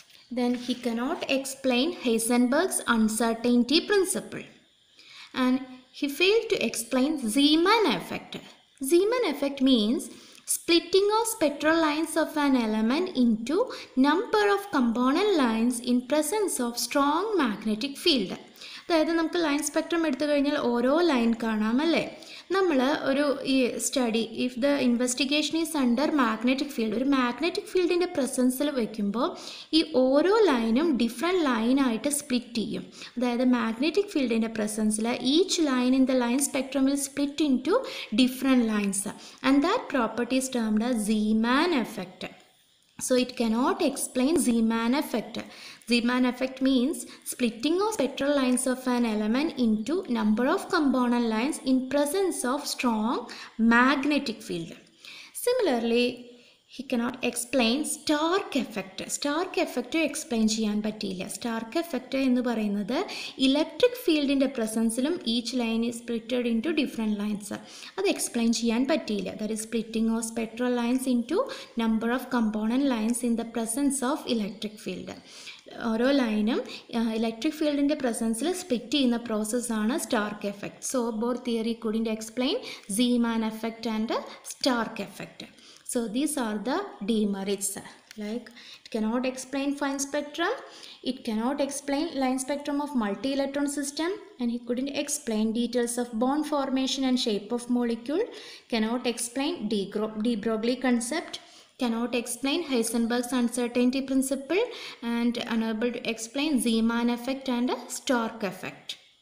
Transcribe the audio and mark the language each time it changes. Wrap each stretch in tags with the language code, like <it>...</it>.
<en>Then he cannot explain Heisenberg's uncertainty principle. And he failed to explain Zeeman effect. Zeeman effect means splitting of spectral lines of an element into number of component lines in presence of strong magnetic field.</en> <ml>അതായത് നമുക്ക് line spectrum എടുത്തു കഴിഞ്ഞാൽ ഓരോ line കാണാമല്ലേ. നമ്മൾ ഒരു ഈ study</ml> <en>if the investigation is under magnetic field,</en> <ml>ഒരു magnetic ഫീൽഡിൻ്റെ പ്രസൻസിൽ വയ്ക്കുമ്പോൾ ഈ ഓരോ ലൈനും ഡിഫറെൻറ്റ് ലൈനായിട്ട് സ്പ്ലിറ്റ് ചെയ്യും. അതായത് magnetic ഫീൽഡിൻ്റെ പ്രസൻസിൽ</ml> <en>Each line in the line spectrum will split into different lines and that properties termed Zeeman effect. So it cannot explain Zeeman effect. Zeeman effect means splitting of spectral lines of an element into number of component lines in presence of strong magnetic field. Similarly, he cannot explain Stark effect. Stark effect explain</en> <ml>ചെയ്യാൻ പറ്റില്ല.</ml> <en>Stark effect</en> <ml>എന്ന് പറയുന്നത് electric ഫീൽഡിന്റെ പ്രസൻസിലും</ml> <en>Each line is splitted into different lines.</en> <ml>അത് explain ചെയ്യാൻ പറ്റിയില്ല.</ml> <en>That is splitting of spectral lines into number of component lines in the presence of electric field.</en> <ml>ഓരോ ലൈനും ഇലക്ട്രിക് ഫീൽഡിൻ്റെ പ്രസൻസിൽ സ്പ്ലിറ്റ് ചെയ്യുന്ന പ്രോസസ്സാണ് Stark effect.</ml> <en>So Bohr theory കൂടി explain Zeeman effect and Stark effect. So these are the demerits, like it cannot explain fine spectrum, it cannot explain line spectrum of multi-electron system, and he couldn't explain details of bond formation and shape of molecule, cannot explain de Broglie concept, cannot explain Heisenberg's uncertainty principle, and unable to explain Zeeman effect and Stark effect.</en>